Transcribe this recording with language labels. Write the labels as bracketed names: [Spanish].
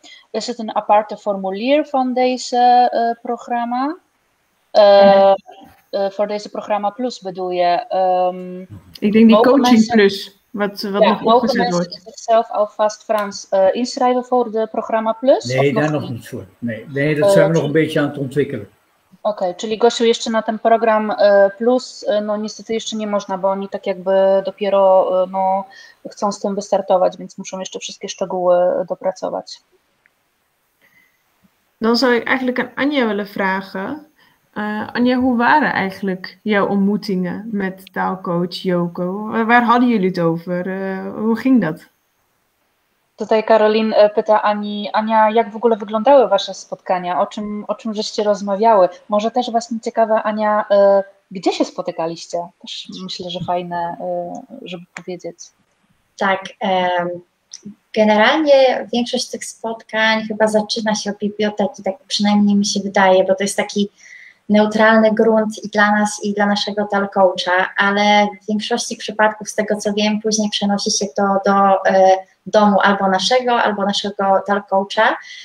[Dutch] Is het een aparte formulier van deze programma? Voor deze programma plus bedoel je? Ik denk die coaching mensen, plus, wat nog opgezet wordt. Mogen mensen zichzelf alvast Frans inschrijven voor de programma plus? Nee, of daar nog niet voor. Nee, dat zijn we nog een beetje aan het ontwikkelen. [Polish] Okej, czyli Gosiu, jeszcze na ten program plus, no niestety jeszcze nie można, bo oni tak jakby dopiero no, chcą z tym wystartować, więc muszą jeszcze wszystkie szczegóły dopracować. [Dutch] Dan zou ik eigenlijk aan Anja willen vragen. Anja, hoe waren eigenlijk jouw ontmoetingen met taalcoach Joko? Waar hadden jullie het over? Hoe ging dat? [Polish] Tutaj Karolin pyta Ania, jak w ogóle wyglądały wasze spotkania? O czym żeście rozmawiały? Może też właśnie ciekawa, Ania, gdzie się spotykaliście? Też myślę, że fajne, żeby powiedzieć. Tak, generalnie większość tych spotkań chyba zaczyna się od biblioteki, tak przynajmniej mi się wydaje, bo to jest taki neutralny grunt i dla nas, i dla naszego talk coacha, ale w większości przypadków, z tego co wiem, później przenosi się to do domu albo naszego talk coacha.